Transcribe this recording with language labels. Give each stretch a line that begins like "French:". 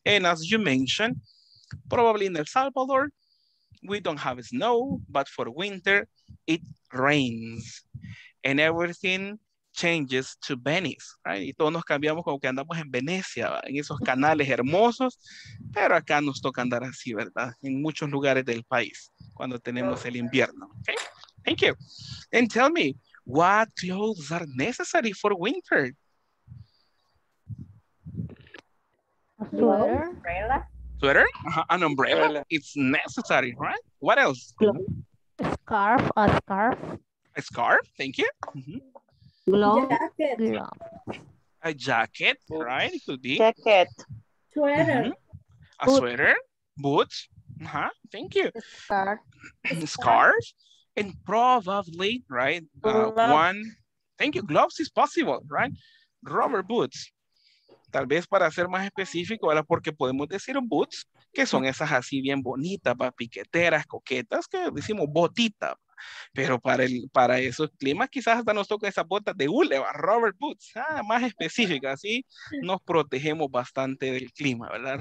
English: And as you mentioned, probably in El Salvador, we don't have snow, but for winter, it rains. And everything changes to Venice. Right?
Spanish: Y todos nos cambiamos como que andamos en Venecia, en esos canales hermosos. Pero acá nos toca andar así, ¿verdad? En muchos lugares del país, cuando tenemos el invierno.
English: Okay? Thank you. And tell me, what clothes are necessary for winter? Umbrella. Sweater? Uh-huh. An umbrella? It's necessary, right? What else? A scarf. Thank you. Mm-hmm. A jacket, right? It could be. Jacket. Sweater. Mm-hmm. A sweater. Boots. Uh-huh. Thank you. A scarf. And probably, right, one, thank you, gloves is possible, right? Rubber boots.
Spanish: Tal vez para ser más específico, ¿verdad? Porque podemos decir boots, que son esas así bien bonitas, ¿va? Piqueteras, coquetas, que decimos botita. Pero para esos climas quizás hasta nos toca esas botas de hule, rubber boots, más específicas, así nos protegemos bastante del clima, ¿verdad?